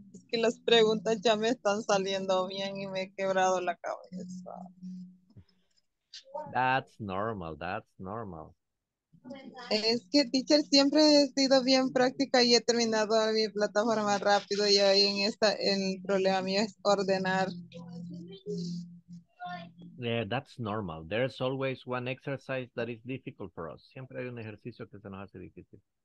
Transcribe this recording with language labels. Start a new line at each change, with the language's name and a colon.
Spanish: Que las preguntas ya me están saliendo bien y me he quebrado la cabeza.
English: That's normal, that's normal.
Spanish: Es que teacher siempre he sido bien práctica y he terminado mi plataforma rápido y ahí en esta el problema mío es ordenar.
English: Yeah, that's normal. There's always one exercise that is difficult for us.
Spanish: Siempre hay un ejercicio que se nos hace difícil.